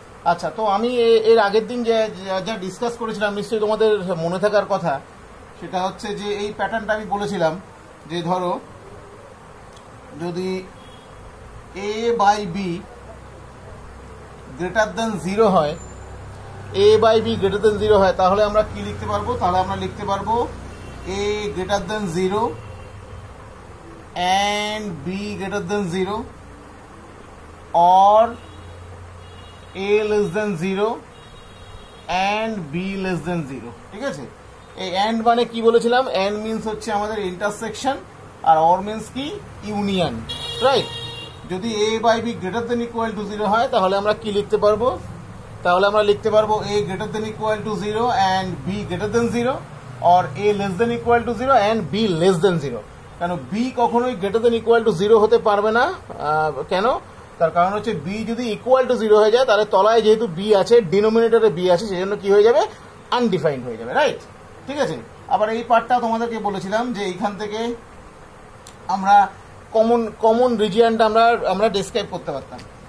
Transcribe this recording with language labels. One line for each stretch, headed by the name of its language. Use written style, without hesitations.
Bangla: আচ্ছা, তো আমি এর আগের দিন যা ডিসকাস করেছিলাম, নিশ্চয়ই তোমাদের মনে থাকার কথা, সেটা হচ্ছে যে এই প্যাটার্নটা আমি বলেছিলাম যে ধরো যদি এ by B greater than zero হয়, এ by B greater than zero হয়, তাহলে আমরা কি লিখতে পারবো? তাহলে আমরা লিখতে পারবো
English: A greater than 0 and B greater than 0 or A less than 0 and B less than 0.
Bangla: ঠিক আছে, এই এন্ড মানে কি বলেছিলাম? এন্ড মিন্স হচ্ছে আমাদের ইন্টারসেকশন, আর অর মিন্স কি? Union, right? যদি A by B greater than equal to 0 হয়, তাহলে আমরা কি লিখতে পারবো? তাহলে আমরা লিখতে পারবো
English: A greater than equal to 0 and B greater than 0 or A less than equal to 0 and B less than 0.
Bangla: কেন B কখনোই greater than equal to 0 হতে পারবে না? কেন? তার কারণ হচ্ছে B যদি equal to 0 হয়ে যায়, তাহলে তলায় যেহেতু B আছে, denominator এ B আছে, সেজন্য কি হয়ে যাবে? Undefined হয়ে যাবে, right? ঠিক আছে, আবার এই পার্টটা তোমাদেরকে বলেছিলাম যে এইখান থেকে আমরা কমন রিজিয়নটা আমরা ডিসক্রাইব করতে পারতাম।